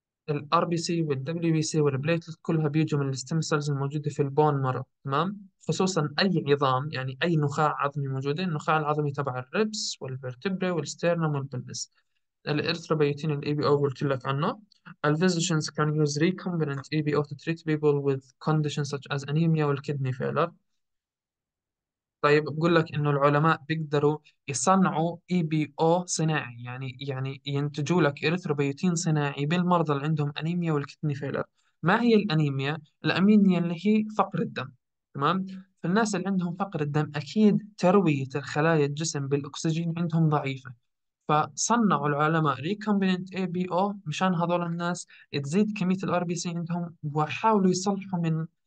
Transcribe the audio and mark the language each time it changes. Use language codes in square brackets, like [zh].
[ar] ال RBC وال WBC وال platelet كلها بيجوا من الستيم سيلز الموجودة في البون مارو، تمام؟ خصوصا أي عظام، يعني أي نخاع عظمي موجود، النخاع العظمي تبع الريبس والفرتبري والستيرنوم والبلس. الإرثروبيوتين الـ ABO قلت لك عنه. [en] الـ physicians can use recombinant ABO to treat people with conditions such as anemia والكدني failure. [ar] طيب بقول لك انه العلماء بيقدروا يصنعوا اي بي او صناعي، يعني ينتجوا لك اريثروبيوتين صناعي بالمرضى اللي عندهم انيميا والكتني فيلر. ما هي الانيميا؟ الانيميا اللي هي فقر الدم، تمام؟ فالناس اللي عندهم فقر الدم اكيد ترويه الخلايا الجسم بالاكسجين عندهم ضعيفه، فصنعوا العلماء ريكومبيننت اي بي او مشان هذول الناس تزيد كميه الار بي سي عندهم، وحاولوا يصلحوا من